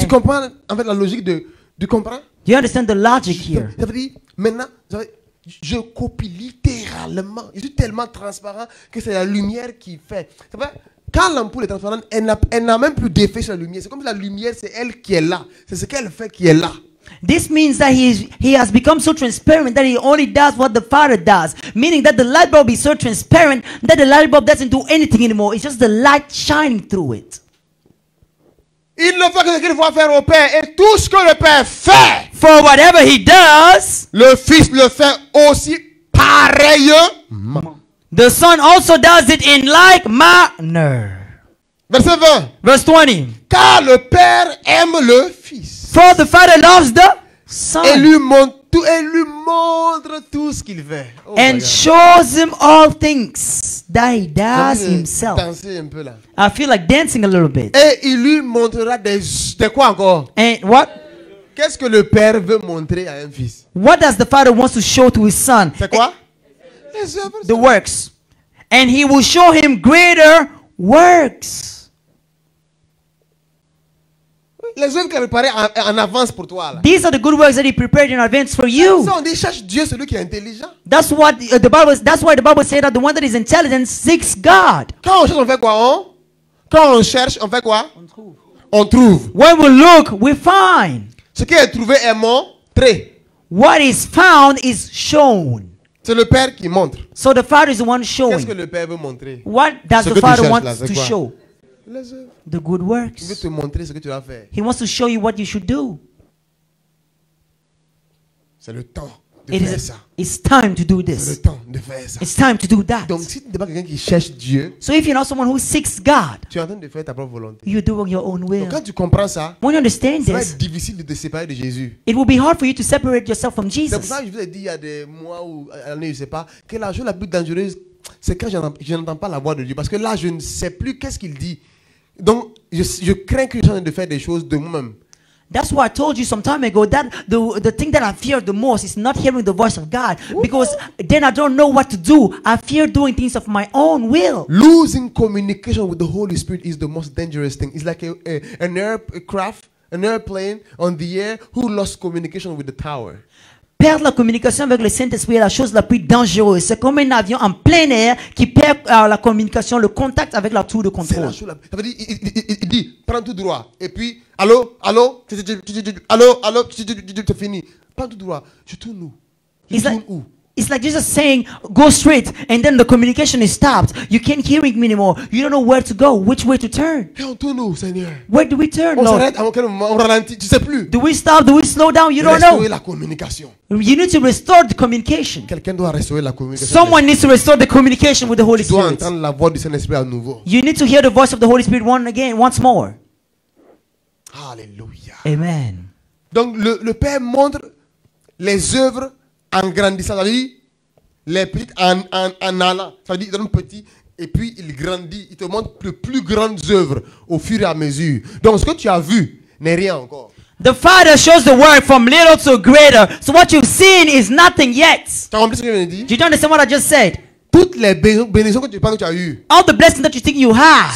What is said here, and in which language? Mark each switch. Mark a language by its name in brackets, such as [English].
[French] Tu comprends en fait la logique de. Tu comprends? [English] You understand the logic here? [French] Ça veut dire maintenant. Je copie littéralement. Je suis tellement transparent que c'est la lumière qui fait. Quand l'ampoule est transparente, elle n'a même plus d'effet sur la lumière. C'est comme si la lumière, c'est elle qui est là. C'est ce qu'elle fait qui est là. [English] This means that he has become so transparent that he only does what the Father does. Meaning that the light bulb is so transparent that the light bulb doesn't do anything anymore. It's just the light shining through it. [French] Il ne fait que ce qu'il voit faire au Père et tout ce que le Père fait. [English] For whatever he does, [French] le Fils le fait aussi pareillement. [English] The Son also does it in like manner. [French] Verset 20. [English] Verse 20. [French] Car le Père aime le Fils. [English] For the Father loves the Son. [French] Et lui montre tout ce qu'il fait. [English] Oh, and shows him all things that he does himself. [French] Danser un peu là. [English] I feel like dancing a little bit. [French] Et il lui montrera des quoi encore? [English] And what? [French] Qu'est-ce que le père veut montrer à un fils? [English] What does the father want to show to his son? [French] C'est quoi? [English] The works. And he will show him greater works. [French] Les œuvres qu'il a préparées en avance pour toi. Là. [English] These are the good works that he prepared in advance for you. [French] Ça, on dit cherche Dieu celui qui est intelligent. [English] That's what the Bible. That's why the Bible says that the one that is intelligent seeks God. [French] Quand on cherche, on fait quoi? Hein? Quand on cherche, on fait quoi? On trouve. On trouve. [English] When we look, we find. [French] Ce qui est trouvé est montré. [English] What is found is shown. [French] C'est le Père qui montre. [English] So the Father is the one showing. [French] Qu'est-ce que le Père veut montrer? [English] What does the Father want to show? [French] Les [English] the good works. [French] Il veut te montrer ce que tu dois faire. [English] He wants to show you what you should do. [French] C'est le temps. [English] It is, it's time to do this. [French] C'est le temps de faire ça. [English] It's time to do that. [French] Donc, si tu n'es pas quelqu'un qui cherche Dieu, [English] so if you're not someone who seeks God, [French] tu es en train de faire ta propre volonté. [English] You're doing your own will. [French] Donc, quand tu comprends ça, [English] when you understand this, [French] ça va être difficile de te séparer de Jésus. [English] It will be hard for you to separate yourself from Jesus. [French] C'est pour ça que je vous ai dit il y a des mois ou années, je ne sais pas, que la chose la plus dangereuse, c'est quand je n'entends pas la voix de Dieu. Parce que là, je ne sais plus qu'est-ce qu'il dit. Donc, je crains que je suis en train de faire des choses de moi-même. [English] That's why I told you some time ago that the thing that I fear the most is not hearing the voice of God. Because then I don't know what to do. I fear doing things of my own will. Losing communication with the Holy Spirit is the most dangerous thing. It's like an airplane on the air who lost communication with the tower. [French] Perdre la communication avec le Saint-Esprit est la chose la plus dangereuse. C'est comme un avion en plein air qui perd la communication, le contact avec la tour de contrôle. C'est la chose la plus... Ça veut dire, il dit, prends tout droit. Et puis, allô, allô, allô, allô, c'est fini. Prends tout droit. Je tourne où? Je tourne où? [English] It's like Jesus saying, go straight. And then the communication is stopped. You can't hear me anymore. You don't know where to go, which way to turn. Where do we turn, Lord? Do we stop? Do we slow down? You don't [French] restaurer [English] know. [French] La communication. [English] You need to restore the communication. [French] Quelqu'un doit restaurer la communication. [English] Someone needs to restore the communication with the Holy Spirit. [French] Tu dois entendre la voix du Saint-Esprit à nouveau. [English] You need to hear the voice of the Holy Spirit one again, once more. Hallelujah. Amen. [French] Donc le Père montre les œuvres en grandissant, ça veut dire les petites en allant, ça veut dire il donne petit et puis il grandit, il te montre les plus grandes œuvres au fur et à mesure. Donc ce que tu as vu n'est rien encore. [English] The Father shows the work from little to greater. So what you've seen is nothing yet. [French] Tu as compris ce que je viens de dire? [English] Do you understand what I just said? [French] Toutes les bénédictions que tu penses que tu as eues. [English] All the blessings that you think you have.